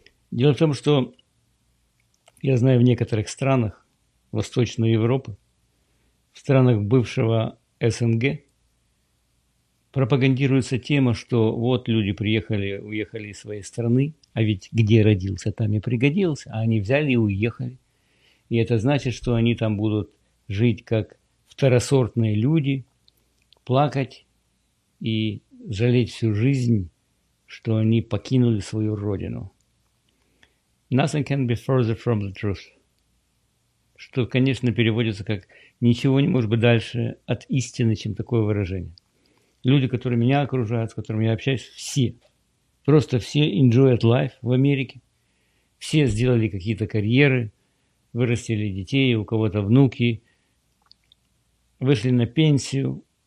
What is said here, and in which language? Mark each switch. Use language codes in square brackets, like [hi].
[ru] Дело в том, что я знаю в некоторых странах Восточной Европы, в странах бывшего СНГ, пропагандируется тема, что вот люди приехали, уехали из своей страны, а ведь где родился, там и пригодился, а они взяли и уехали. И это значит, что они там будут жить как второсортные люди, плакать и жалеть всю жизнь, что они покинули свою родину. [en] Nothing can be further from the truth. [ru] Что, конечно, переводится как «ничего не может быть дальше от истины, чем такое выражение». Люди, которые меня окружают, с которыми я общаюсь, все. Просто все [en] enjoyed life [ru] в Америке. Все сделали какие-то карьеры, вырастили детей, у кого-то внуки, вышли на пенсию.